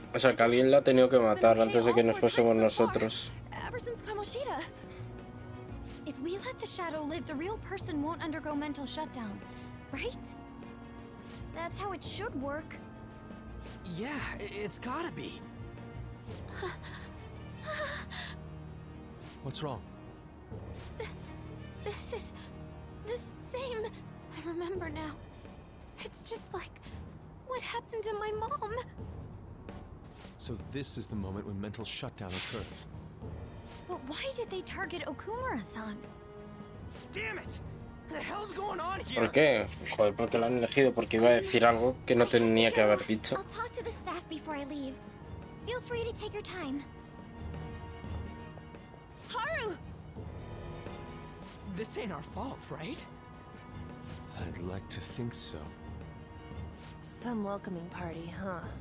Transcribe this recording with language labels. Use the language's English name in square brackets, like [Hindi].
[Spanish] O sea, que alguien la ha tenido que matar antes de que nos fuésemos nosotros. [English] If we let the shadow live, the real person won't undergo mental shutdown, right? That's how it should work. Yeah, it's gotta be. What's wrong? This is the same. I remember now. It's just like what happened to my mom. So this is the moment when mental shutdown occurs. But why did they target Okumura-san? Damn it! What the hell's going on here? [Spanish] ¿Por qué? Joder, porque lo han elegido porque iba a decir algo que no tenía que haber dicho. [English] I'll talk to the staff before I leave. Feel free to take your time. Haru! This ain't our fault, right? I'd like to think so. Some welcoming party, huh?